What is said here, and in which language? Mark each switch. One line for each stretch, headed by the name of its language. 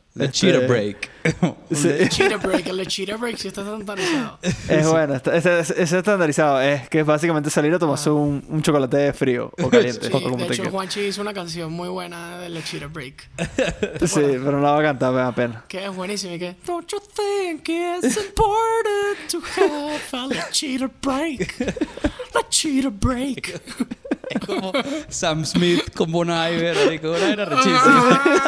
English: Cheetah break.
Spanish: The cheetah break. El cheetah break, si está estandarizado. Es bueno, está estandarizado. Es que básicamente salir a tomarse un chocolate frío o caliente. Sí, como de hecho, quiero. Juanchi hizo una canción muy buena de The Cheetah Break. Sí, bueno, pero no la va a cantar, me da pena. Que es buenísimo y que...
English: Don't you think it's important to have a The Cheetah Break? A cheetah break.
Spanish: Es como Sam Smith con Bon Iver, como una era rechísima.